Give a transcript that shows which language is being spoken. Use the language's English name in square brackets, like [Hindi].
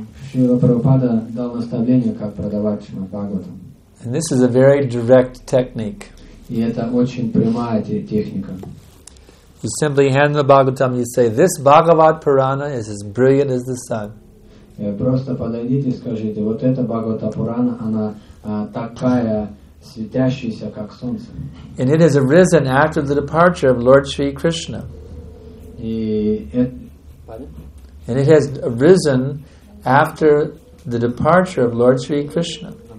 [Russian] Шрила Прабхупада дал наставление, как продавать Бхагаватам. [English] And this is a very direct technique. [Russian] И это очень прямая техника. [English] You simply hand the Bhagavatam, you say, this Bhagavad Purana is as brilliant as the sun. [Russian] Просто подойдите и скажите, вот эта Бхагавата Пурана, она такая светящаяся, как солнце. [English] And it has arisen after the departure of Lord Sri Krishna. [Russian] И [English] And it has arisen after the departure of Lord Sri Krishna.